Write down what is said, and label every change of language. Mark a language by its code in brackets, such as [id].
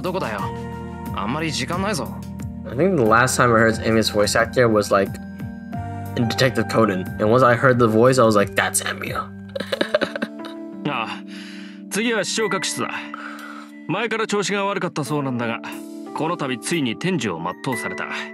[ja] 頼んだのはこっちなのに、エミアに任せきりにしてしまった。許せ。エミア。そんなこと気にするな。で、次はどこだよ。あんまり時間ないぞ。 [en] I think the last time I heard Emiya's voice actor was like in Detective Conan. And once I heard the voice, I was like, that's Emiya. [ja] ああ、次は視聴覚室だ。前から調子が悪かったそうなんだが、この度ついに天寿を全うされた。